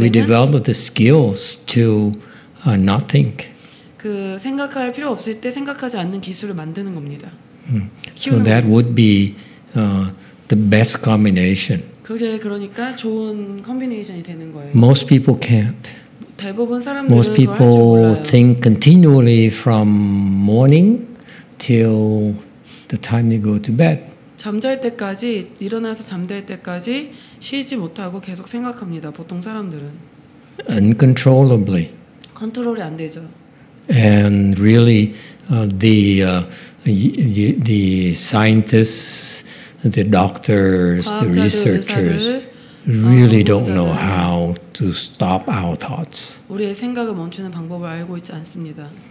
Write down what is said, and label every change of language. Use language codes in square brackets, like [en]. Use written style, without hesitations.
[en] we develop the skills to not think. [ko] 그 생각할 필요 없을 때 생각하지 않는 기술을 만드는 겁니다. [en] So that would be the best combination. [ko] 그게 그러니까 좋은 컨비네이션이 되는 거예요. [en] Most people can't. [ko] 대부분 사람들은 [en] Most people [ko] 그걸 할 줄 몰라요. [en] Think continually from morning till the time you go to bed. [ko] 잠잘 때까지 일어나서 잠들 때까지 쉬지 못하고 계속 생각합니다. 보통 사람들은 [en] uncontrollably. [ko] 컨트롤이 안 되죠. [en] And really the scientists, the doctors, the researchers really don't know how to stop our thoughts. [ko] 우리의 생각을 멈추는 방법을 알고 있지 않습니다.